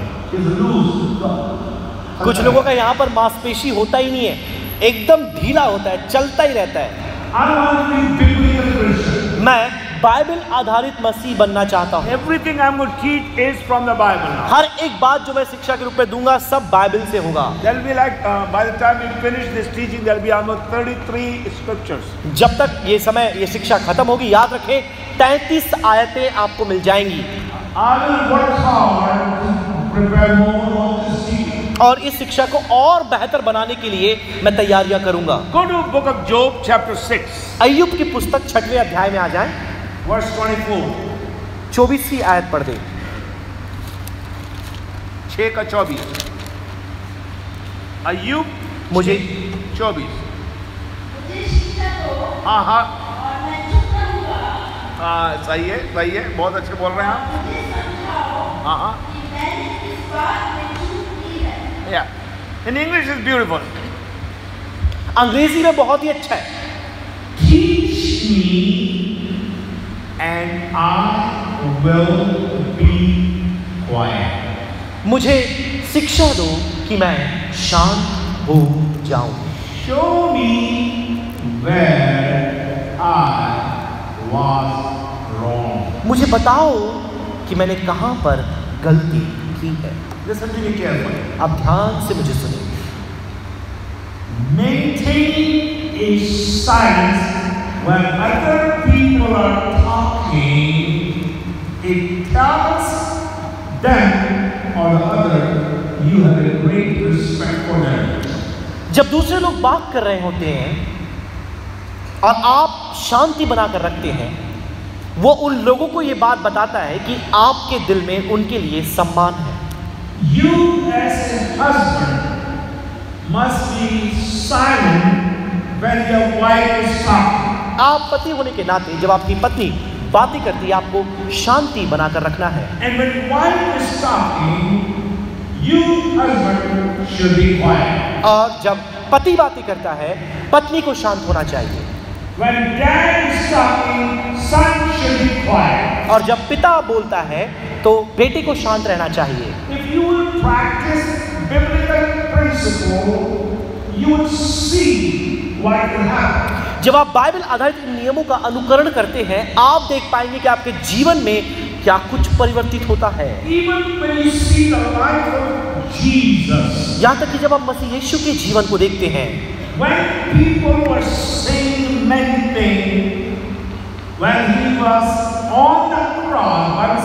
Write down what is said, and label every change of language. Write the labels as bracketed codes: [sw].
[hi] कुछ लोगों का यहाँ पर मांसपेशी होता ही नहीं है, एकदम ढीला होता है, चलता ही रहता है। मैं बाइबल आधारित मसीह बनना चाहता हूँ। [en] Everything I'm going to teach is from the Bible. [hi] हर एक बात जो मैं शिक्षा के रूप में दूंगा सब बाइबल से होगा। [en] There'll be like by the time you finish this teaching, there'll be almost 33 scriptures. [hi] जब तक ये समय ये शिक्षा खत्म होगी याद रखे 33 आयतें आपको मिल जाएंगी। [en] I will work hard to prepare more of this teaching. [hi] और इस शिक्षा को और बेहतर बनाने के लिए मैं तैयारियां करूंगा। [en] Go to book of Job, chapter 6. [hi] अय्यूब की पुस्तक छठवें अध्याय में आ जाएं। [en] Verse 24. [hi] 24 आयत पढ़ दें। 6-24. अय्यूब मुझे 24. मुझे शिक्षा दो। हाँ हाँ। और मैं चुप रहूँगा। सही है, बहुत अच्छे बोल रहे हैं आप। मुझे समझाओ। हाँ हाँ। [en] Yeah. In English it's beautiful. [hi] अंग्रेजी में बहुत ही अच्छा है। [en] Teach me and I will be quiet. [hi] मुझे शिक्षा दो कि मैं शांत हो जाऊं। [en] Show me where I was wrong. [hi] मुझे बताओ कि मैंने कहां पर गलती की है। अब ध्यान से मुझे सुनिए। [en] Maintain a silence when other people are talking. It tells them or the other you have a great respect for them. [hi] जब दूसरे लोग बात कर रहे होते हैं और आप शांति बनाकर रखते हैं वो उन लोगों को ये बात बताता है कि आपके दिल में उनके लिए सम्मान है। [en] You as a husband must be silent when your wife is talking. [hi] आप पति होने के नाते जब आपकी पत्नी बातें करती है आपको शांति बनाकर रखना है। [en] And when wife is talking, you husband should be quiet. [hi] और जब पति बातें करता है पत्नी को शांत होना चाहिए। [en] When dad is talking, son should be quiet. [hi] और जब पिता बोलता है तो बेटे को शांत रहना चाहिए। [en] If you will practice biblical principle, you will see what will happen. [hi] जब आप बाइबल आधारित नियमों का अनुकरण करते हैं आप देख पाएंगे कि आपके जीवन में क्या कुछ परिवर्तित होता है। [en] Even when you see the life of Jesus, [hi] यहां तक कि जब आप मसीह यीशु के जीवन को देखते हैं। [en] When people were saying many things, when he was on the cross,